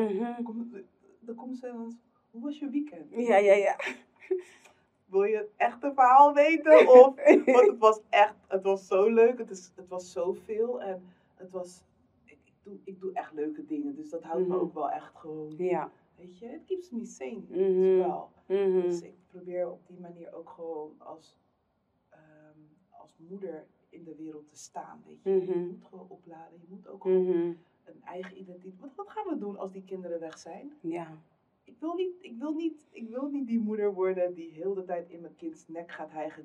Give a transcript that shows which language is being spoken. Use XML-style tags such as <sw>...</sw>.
<nl>Mm-hmm. Dan komt ze ons, hoe was je weekend? Ja, ja, ja. Wil je het echte verhaal weten? Want het was echt, het was zo leuk. Het was zoveel en het was ik doe echt leuke dingen. Dus dat houdt me ook wel echt gewoon. Ja. Weet je,</nl> <en>it keeps me sane as well. Mm-hmm.</en> <nl>Dus ik probeer op die manier ook gewoon als moeder in de wereld te staan. Weet je, je moet gewoon opladen. Je moet ook gewoon een eigen identiteit. Want wat gaan we doen als die kinderen weg zijn? Ja. Ik wil niet die moeder worden die heel de tijd in mijn kinds nek gaat hijgen.</nl>